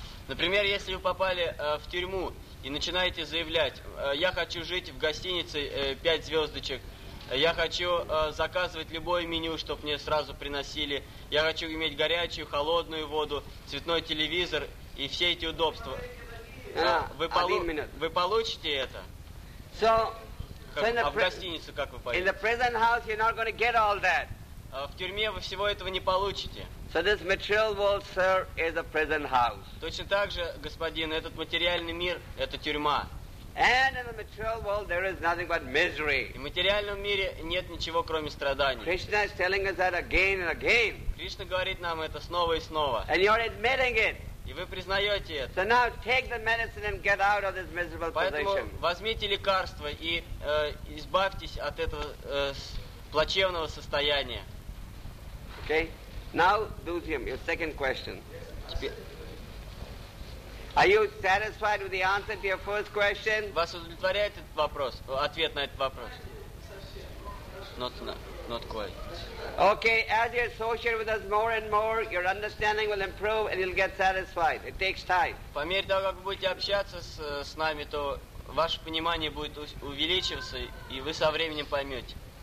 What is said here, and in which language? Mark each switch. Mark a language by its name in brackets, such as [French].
[Russian] Например, если вы попали в тюрьму и начинаете заявлять, я хочу жить в гостинице 5 звездочек, я хочу заказывать любое меню, чтобы мне сразу приносили, я хочу иметь горячую, холодную воду, цветной телевизор, и все эти удобства. Вы получите это? [English] So, [Russian] а в гостиницу как вы поедете? [English] In the prison house you're not going to get all that. [Russian] В тюрьме вы всего этого не получите. [English] So this material world, sir, is a prison house. [Russian] Точно так же, господин, этот материальный мир – это тюрьма. [English] And in the material world there is nothing but misery. [Russian] В материальном мире нет ничего, кроме страданий. [English] Krishna is telling us that again and again. [Russian] Кришна говорит нам это снова и снова. [English] And you're admitting it. [Russian] И вы признаете это. [English] So now take the medicine and get out of this miserable position. [Russian] Поэтому возьмите лекарство и избавьтесь от этого плачевного состояния. [English] Okay. Now, Dusyam, your second question. Are you satisfied with the answer to your first question? [Russian] Вас удовлетворяет этот вопрос, ответ на этот вопрос? [English] Not quite. Okay, as you associate with us more and more, your understanding will improve and you'll get satisfied. It takes time. [Russian] По мере того, как вы будете общаться с нами, то ваше понимание будет увеличиваться, и вы со временем поймете.